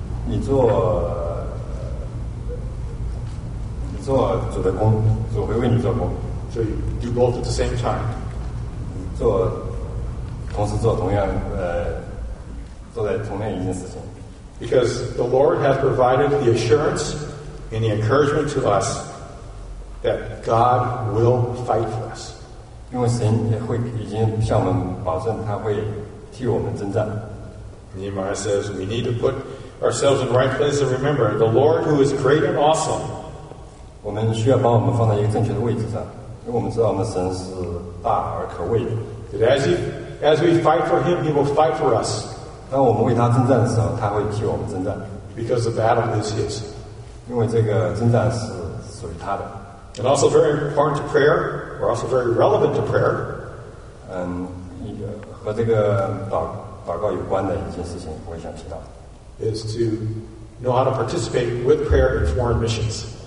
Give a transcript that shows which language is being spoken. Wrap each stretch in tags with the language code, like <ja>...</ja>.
<zh>你做主的工，主会为你做工。</zh> <en>So you do both at the same time.</en> <zh>做同时做同样做在同样一件事情。</zh> <en>Because the Lord has provided the assurance and the encouragement to us that God will fight for us.</en> <zh>因为神也会已经向我们保证他会替我们征战。</zh> <en>Nehemiah says we need to put ourselves in the right place and remember the Lord who is great and awesome.</en> <zh>我们需要把我们放在一个正确的位置上，因为我们知道我们的神是大而可畏的。</zh> <en>That as we fight for him, he will fight for us.</en> <zh>当我们为他征战的时候，他会替我们征战。</zh> <en>Because the battle is his.</en> <zh>因为这个征战是属于他的。</zh> <en>And also very important to prayer, or also very relevant to prayer.</en> <zh>和这个祷告有关的一件事情，我也想提到。</zh> <en>Is to know how to participate with prayer in foreign missions.</en>